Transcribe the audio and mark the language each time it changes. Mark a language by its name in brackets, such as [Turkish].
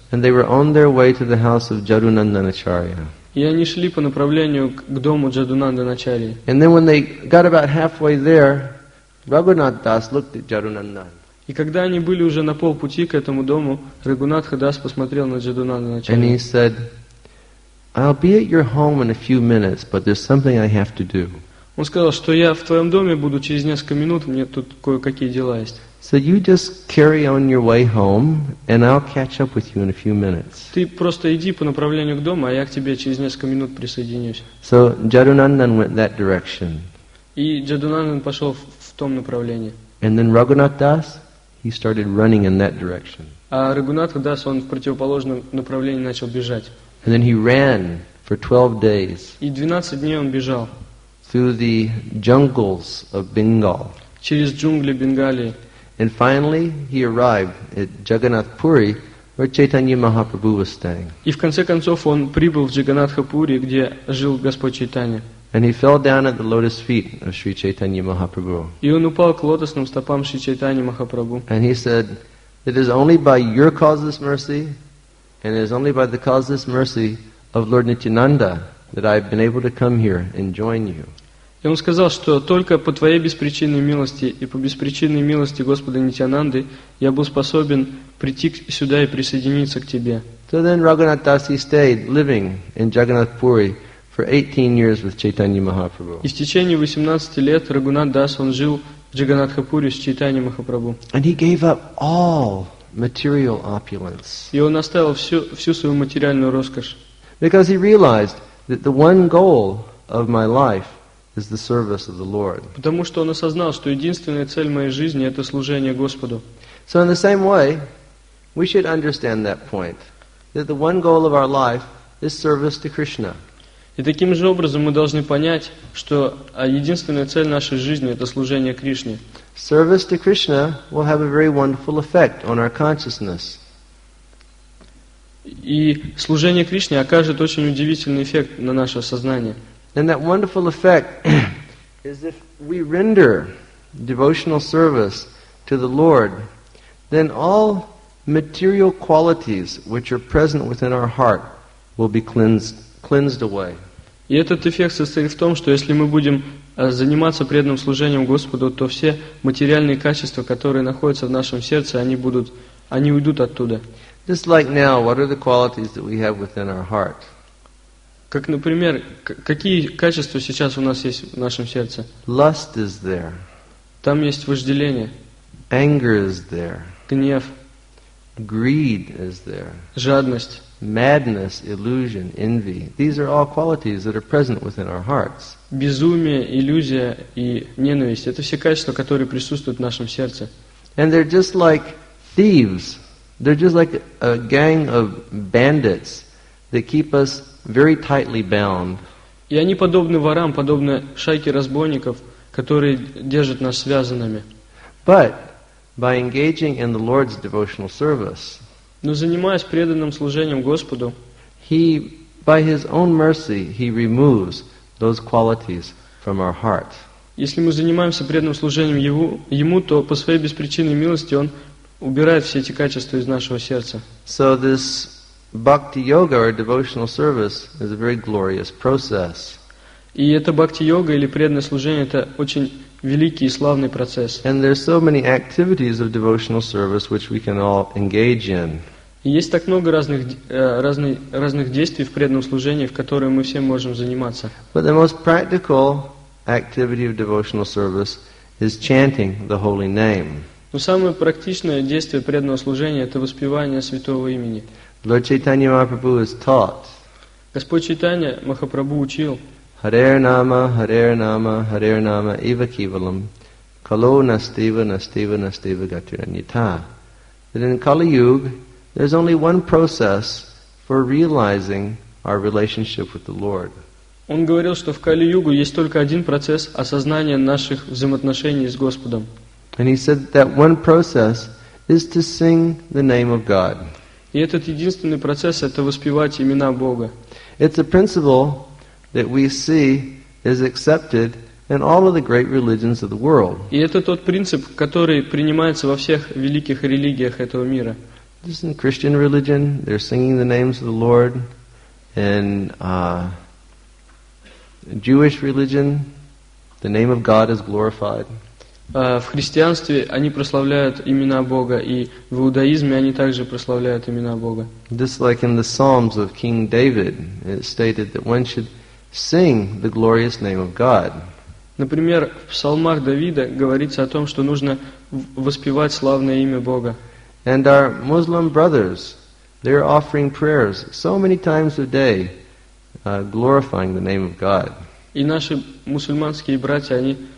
[English] And they were on their way to the house of Jadunandanacharya. [Russian] И они шли по направлению к дому Джадунандачарьи. [English] And then when they got about halfway there, Raghunath Das looked at Jadunandan. [Russian] И когда они были уже на полпути к этому дому, Рагунатха Дас посмотрел на Джадунандачарьи. [English] And he said, "I'll be at your home in a few minutes, but there's something I have to do." [Russian] Он сказал, что я в твоем доме буду через несколько минут, мне тут кое-какие дела есть. [English] So you just carry on your way home, and I'll catch up with you in a few minutes. [Russian] Ты просто иди по направлению к дому, а я к тебе через несколько минут присоединюсь. [English] So Jadunandan went that direction. [Russian] И Джадунандан пошел в том направлении. [English] And then Raghunath Das, he started running in that direction. [Russian] А Рагунатха Дас, он в противоположном направлении начал бежать. [English] And then he ran for 12 days. [Russian] И 12 дней он бежал. [English] Through the jungles of Bengal. [Russian] Через джунгли Бенгалии. [English] And finally, he arrived at Jagannath Puri, where Chaitanya Mahaprabhu was staying. [Russian] И в конце концов он прибыл в Джаганатхапури, где жил Господь Чайтанья. [English] And he fell down at the lotus feet of Sri Chaitanya Mahaprabhu. [Russian] И он упал к лотосным стопам Шри Чайтаньи Махапрабху. [English] And he said, "It is only by your causeless mercy, and it is only by the causeless mercy of Lord Nityananda that I have been able to come here and join you." [Russian] И он сказал, что только по твоей беспричинной милости и по беспричинной милости Господа Нитянанды я был способен прийти сюда и присоединиться к тебе. [English] So then Raghunath Das, he stayed living in Jagannath Puri for 18 years with Chaitanya Mahaprabhu. [Russian] И в течение 18 лет Рагунат Дас, он жил в Джаганатхапури с Чайтанья Махапрабху. [English] And he gave up all material opulence. [Russian] И он оставил всю свою материальную роскошь. [English] Because he realized that the one goal of my life is the service of the Lord. [Russian] Потому что он осознал, что единственная цель моей жизни — это служение Господу. [English] So in the same way, we should understand that point, that the one goal of our life is service to Krishna. [Russian] И таким же образом мы должны понять, что единственная цель нашей жизни — это служение Кришне. [English] Service to Krishna will have a very wonderful effect on our consciousness. [Russian] И служение Кришне окажет очень удивительный эффект на наше сознание. [English] And that wonderful effect is if we render devotional service to the Lord, then all material qualities which are present within our heart will be cleansed cleansed away. [Russian] И этот эффект состоит в том, что если мы будем заниматься преданным служением Господу, то все материальные качества, которые находятся в нашем сердце, они уйдут оттуда. [English] Just like now, what are the qualities that we have within our heart? [Russian] Как, например, какие качества сейчас у нас есть в нашем сердце? [English] Lust is there. [Russian] Там есть вожделение. [English] Anger is there. [Russian] Гнев. [English] Greed is there. [Russian] Жадность. [English] Madness, illusion, envy. These are all qualities that are present within our hearts. [Russian] Безумие, иллюзия и ненависть — это все качества, которые присутствуют в нашем сердце. [English] And they're just like thieves. They're just like a gang of bandits that keep us very tightly bound. [Russian] И они подобны ворам, подобны шайке разбойников, которые держат нас связанными. [English] But by engaging in the Lord's devotional service, [Russian] но занимаясь преданным служением Господу, [English] he, by his own mercy, he removes those qualities from our heart. [Russian] Если мы занимаемся преданным служением ему, то по своей беспричинной милости он убирает все эти качества из нашего сердца. [English] So this bhakti yoga or devotional service is a very glorious process. [Russian] И это бхакти йога или преданное служение — это очень великий и славный процесс. [English] And there's so many activities of devotional service which we can all engage in. [Russian] И есть так много разных действий в преданном служении, в которые мы все можем заниматься. [English] But the most practical activity of devotional service is chanting the holy name. [Russian] Но самое практичное действие преданного служения — это воспевание святого имени. [English] Lord Chaitanya Mahaprabhu has taught. [Russian] Господь Чайтанья Махапрабху учил. [Sanskrit] Харер нама, харер нама, харер нама, ива кивалам, кало настива, настива, настива гатираньята. [English] That in Kali Yuga, there's only one process for realizing our relationship with the Lord. [Russian] Он говорил, что в Кали Югу есть только один процесс осознания наших взаимоотношений с Господом. [English] And he said that one process is to sing the name of God. [Russian] И этот единственный процесс — это воспевать имена Бога. [English] It's a principle that we see is accepted in all of the great religions of the world. [Russian] И это тот принцип, который принимается во всех великих религиях этого мира. [English] Just in Christian religion, they're singing the names of the Lord. In Jewish religion, the name of God is glorified. [Russian] В христианстве они прославляют имена Бога, и в иудаизме они также прославляют имена Бога. [English] Just like in the Psalms of King David, it's stated that one should sing the glorious name of God. [Russian] Например, в псалмах Давида говорится о том, что нужно воспевать славное имя Бога. [English] And our Muslim brothers, they're offering prayers so many times a day, glorifying the name of God. [Russian] И наши мусульманские братья, они...